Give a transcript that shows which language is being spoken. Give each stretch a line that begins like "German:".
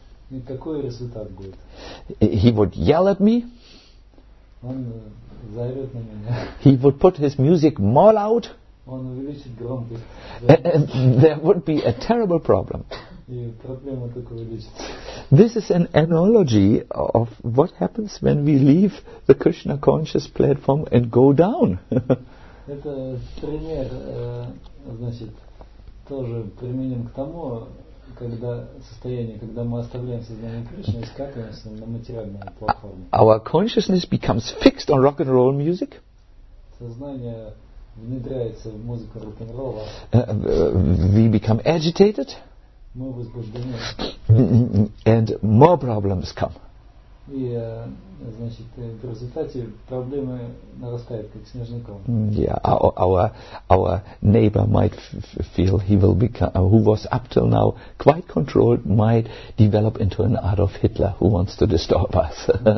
Russian: И какой результат будет?
English: He would yell at me.
Russian: Он заорет на меня.
English: He would put his music more loud.
Russian: Он увеличит громкость.
English: There would be a terrible problem.
Russian: И проблема только увеличится.
English: This is an analogy of what happens when we leave the Krishna conscious platform and go down.
Russian: Это пример, значит, тоже применим к тому, когда состояние, когда мы оставляем сознание Кришны и скатываемся на материальную платформу.
English: Our consciousness becomes fixed on rock and roll music.
Russian: Сознание внедряется в музыку рок-н-ролла.
English: We become agitated.
Russian: Мы возбуждены.
English: And more problems come.
Russian: И, значит, в результате проблемы нарастают, как снежный ком.
English: Yeah, our neighbor might feel he will become, who was up till now quite controlled, might develop into an Adolf Hitler who wants to disturb us.